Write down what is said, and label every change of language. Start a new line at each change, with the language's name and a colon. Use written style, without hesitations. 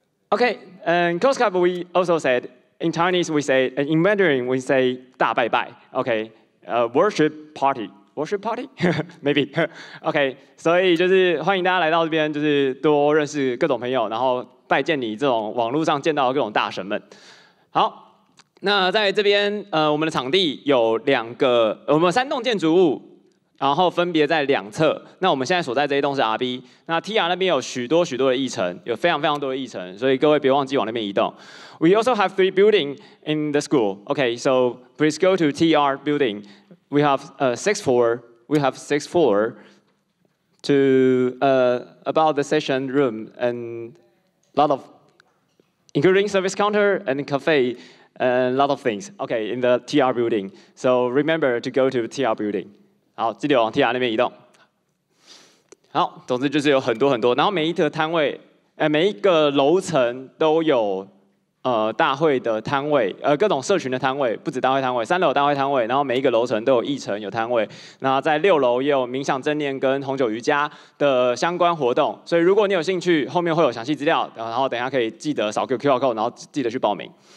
English: OK, and Coast Cup we also said in Chinese we say and in Mandarin we say
Chinese: 大拜拜
English: ，OK. Worship party, worship party, maybe.
Chinese: OK, 所以就是欢迎大家来到这边，就是多认识各种朋友，然后拜见你这种网络上见到的各种大神们。好，那在这边，我们的场地有两个，我们有三栋建筑物，然后分别在两侧。那我们现在所在这一栋是 RB， 那 TR 那边有许多许多的议程，有非常非常多的议程，所以各位别忘记往那边移动。
English: We also have three buildings in the school. Okay, so please go to TR building. We have sixth floor. We have sixth floor to about the session room and lot of, including service counter and cafe and lot of things. Okay, in the TR building. So remember to go to TR building.
Chinese: 好，记得往 TR 那边移动。好，总之就是有很多很多，然后每一个摊位，每一个楼层都有。大会的摊位，各种社群的摊位，不止大会摊位，三楼有大会摊位，然后每一个楼层都有议程有摊位，那在六楼也有冥想正念跟红酒瑜伽的相关活动，所以如果你有兴趣，后面会有详细资料，然后等一下可以记得扫 QR code， 然后记得去报名。